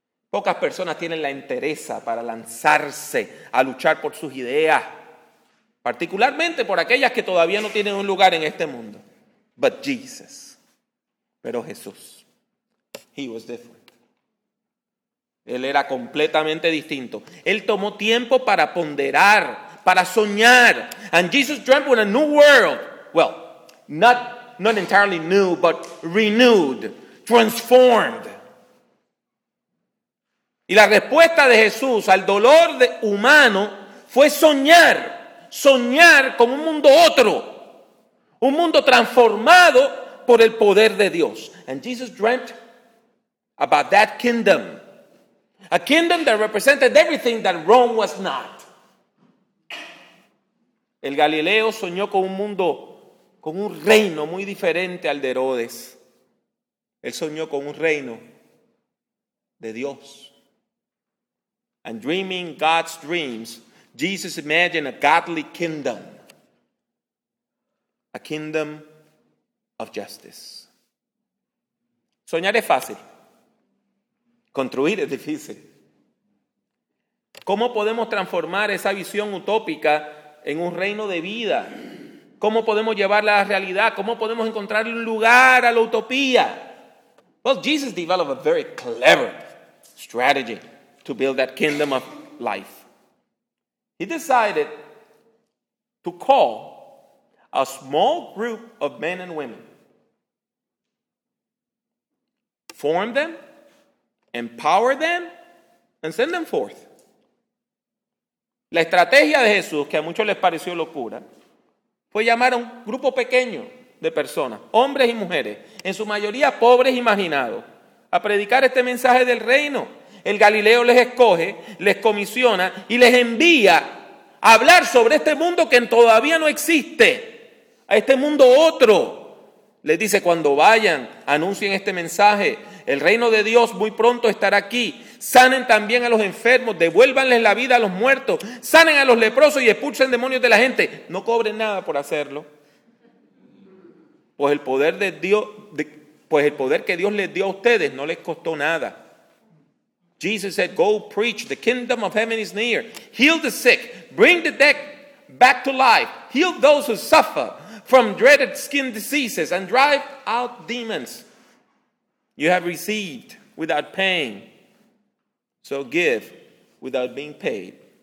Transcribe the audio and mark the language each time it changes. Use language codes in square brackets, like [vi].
[es] Pocas personas tienen la entereza para lanzarse a luchar por sus ideas, particularmente por aquellas que todavía no tienen un lugar en este mundo. [en] But Jesus, [es] pero Jesús, [en] he was different. [es] Él era completamente distinto. Él tomó tiempo para ponderar, para soñar. [en] And Jesus dreamt with a new world. Well, not entirely new, but renewed, transformed. [es] Y la respuesta de Jesús al dolor humano fue soñar. Soñar con un mundo otro. Un mundo transformado por el poder de Dios. [en] And Jesus dreamt about that kingdom. A kingdom that represented everything that Rome was not. [es] El Galileo soñó con un mundo, con un reino muy diferente al de Herodes. Él soñó con un reino de Dios. [en] And dreaming God's dreams, Jesus imagined a godly kingdom. A kingdom of justice. [es] Soñar es fácil. Construir es difícil. ¿Cómo podemos transformar esa visión utópica en un reino de vida? ¿Cómo podemos llevarla a la realidad? ¿Cómo podemos encontrar un lugar a la utopía? [en] Well, Jesus developed a very clever strategy to build that kingdom of life. He decided to call a small group of men and women, form them, empower them, and send them forth. [es] La estrategia de Jesús, que a muchos les pareció locura, fue llamar a un grupo pequeño de personas, hombres y mujeres, en su mayoría pobres y marginados, a predicar este mensaje del reino. El Galileo les escoge, les comisiona y les envía a hablar sobre este mundo que todavía no existe, a este mundo otro. Les dice, cuando vayan, anuncien este mensaje, el reino de Dios muy pronto estará aquí. Sanen también a los enfermos, devuélvanles la vida a los muertos, sanen a los leprosos y expulsen demonios de la gente. No cobren nada por hacerlo. Pues el poder de Dios, pues el poder que Dios les dio a ustedes no les costó nada. [en] Jesus said, go preach, the kingdom of heaven is near. Heal the sick, bring the dead back to life. Heal those who suffer from dreaded skin diseases and drive out demons. You have received without paying, so give without being paid.